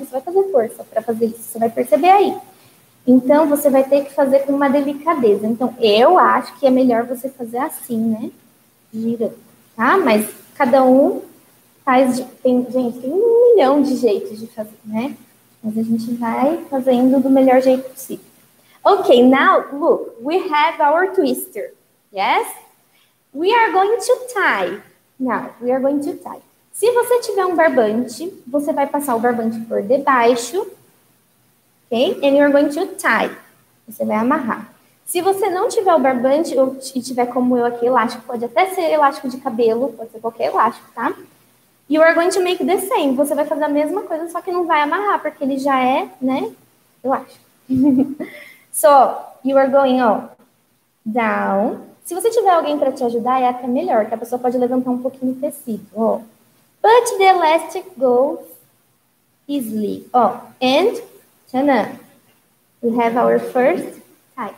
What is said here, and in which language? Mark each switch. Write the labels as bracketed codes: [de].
[pt] Você vai fazer força para fazer isso, você vai perceber aí. Então, você vai ter que fazer com uma delicadeza. Então, eu acho que é melhor você fazer assim, né? Gira, tá? Mas cada um faz... Gente, tem um milhão de jeitos de fazer, né? Mas a gente vai fazendo do melhor jeito possível. [en] Okay, now look, we have our twister, yes? We are going to tie. Now, we are going to tie. [pt] Se você tiver um barbante, você vai passar o barbante por debaixo, okay? [en] And you're going to tie. [pt] Você vai amarrar. Se você não tiver o barbante, ou tiver como eu aqui, elástico, pode até ser elástico de cabelo, pode ser qualquer elástico, tá? [en] You are going to make the same. [pt] Você vai fazer a mesma coisa, só que não vai amarrar, porque ele já é, né, elástico. [en] So, you are going up, down. [pt] Se você tiver alguém para te ajudar, é até melhor, que a pessoa pode levantar um pouquinho o tecido. [en] Oh. But the elastic goes easily. Oh, and, tana, we have our first tie.